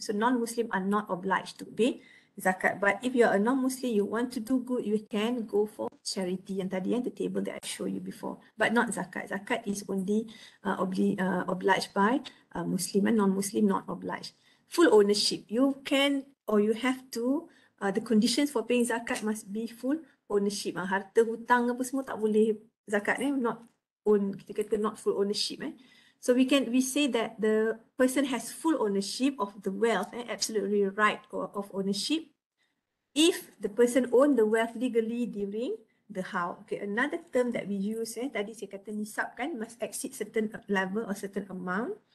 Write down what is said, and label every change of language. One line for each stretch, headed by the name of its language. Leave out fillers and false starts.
English: So non-Muslim are not obliged to pay zakat. But if you're a non-Muslim, you want to do good, you can go for charity. And tadi, the table that I showed you before, but not zakat. Zakat is only obliged by Muslim, and non-Muslim not obliged. Full ownership. You can or you have to, the conditions for paying zakat must be full ownership.
Malay: Harta hutang apa semua tak boleh zakat.
English: Eh? Not own, kita kata not full ownership. Eh? So we say that the person has full ownership of the wealth, eh, absolutely right of ownership, if the person owned the wealth legally during the how. Okay, another term that we use, eh, tadi saya kata nisab kan, must exceed certain level or certain amount.